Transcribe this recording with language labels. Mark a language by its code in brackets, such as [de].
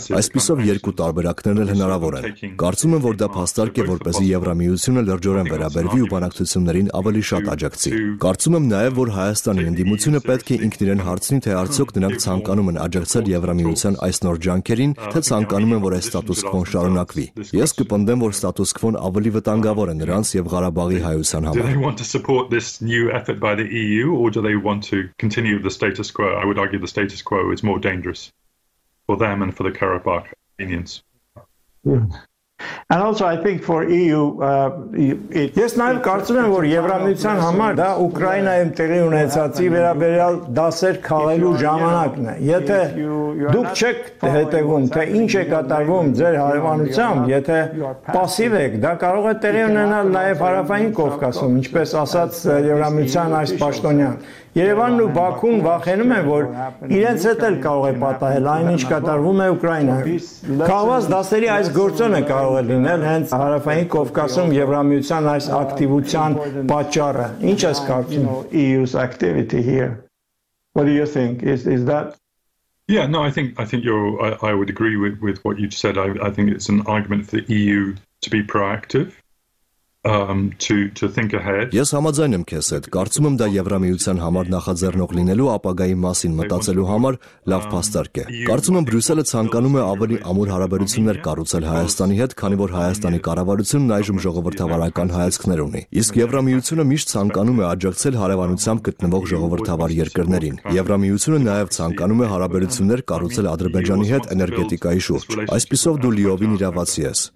[hy] Այսպիսով երկու տարբերակներն էլ հնարավոր են։ Կարծում եմ, որ դա փաստարկ է, որպեսզի Եվրամիությունը լրջորեն վերաբերվի ու բանակցություններին ավելի շատ աջակցի։ Կարծում եմ նաեւ, որ Հայաստանի ընդդիմությունը պետք է ինքն իրեն հարցնի, թե արդյոք նրանք ցանկանում են աջակցել Եվրամիության այս նոր ջանքերին, թե ցանկանում են, որ այս ստատուս քվոն շարունակվի։ Ես կպնդեմ, որ ստատուս քվոն ավելի վտանգավոր է նրանց եւ Ղարաբաղի հայության։ [en] Do they want to support this new effort by the EU or do they want to continue the status quo? I would argue the status quo is more dangerous for them and for the Karabakh Armenians. And also I think for EU it [hy] Yes, նաև կարծում եմ, որ Եվրամիության համար դա Ուկրաինայում տեղի ունեցածի վերաբերյալ դասեր քաղելու ժամանակն է։ Եթե դուք չեք հետևում, թե ինչ է կատարվում ձեր հարևանությամբ, եթե պասիվ եք, դա կարող է տեղի ունենալ նաև Հարավային Կովկասում, ինչպես ասաց Եվրամիության այս պաշտոնյան։ Երևանն ու Բաքուն վախենում են, որ իրենց հետ էլ կարող է պատահել այն, ինչ կատարվում է Ուկրաինայում։ Կահված դասերի այս գործոնը կարող է լինել հենց Հարավային Կովկասում Եվրամիության այս ակտիվության պատճառը։ Ինչ ես կարծում? [en] EU's activity here. What do you think? Is that? Yeah, no, I think I would agree with what you've said. I think it's an argument for the EU to be proactive. To think ahead. [hy] Ես համաձայն եմ քեզ հետ, կարծում եմ դա Եվրամիության համար նախաձեռնող լինելու ապագայի մասին մտածելու համար լավ փաստարկ է։ Կարծում եմ Բրյուսելը ցանկանում է ավելի ամուր հարաբերություններ կառուցել Հայաստանի հետ, քանի որ Հայաստանի կառավարությունն այժմ ժողովրդավարական հայացքներ ունի։ Իսկ Եվրամիությունը միշտ ցանկանում է աջակցել հարևանությամբ գտնվող ժողովրդավար երկրներին։ Եվրամիությունը նաև ցանկանում է հարաբերություններ կառուցել Ադրբեջանի հետ էներգետիկայի շուրջ։ Այսպիսով դու լիովին իրավացի ես։